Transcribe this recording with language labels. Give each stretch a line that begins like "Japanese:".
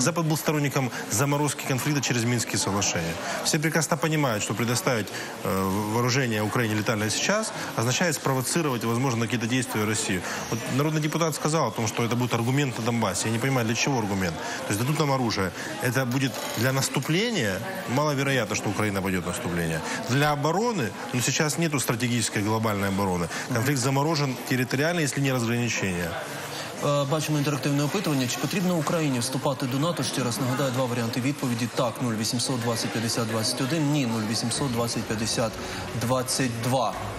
Ukrainian: Запад був
Russian: сторонником заморозки
Ukrainian: конфлікту через Мінські соглашення. Всі прекрасно розуміють, що
Russian: предоставить вооружение
Ukrainian: Україні летальне зараз означає
Russian: спровоцировать, возможно,
Ukrainian: якісь действия Росії. От народний депутат сказав, що це буде аргумент на Донбасі. Я не розумію, для чого аргумент.
Russian: Тобто, дадут нам оружие. Это будет для наступления, маловероятно, что Украина пойдет в наступление. Для обороны, но сейчас нету стратегической глобальной обороны. Конфликт заморожен территориально, если не разграничение.
Ukrainian: Бачимо інтерактивне опитування. Чи потрібно Україні вступати до НАТО? Ще раз нагадаю, два варіанти відповіді. Так, 0800 20 50 21. Ні, 0800 20 50 22.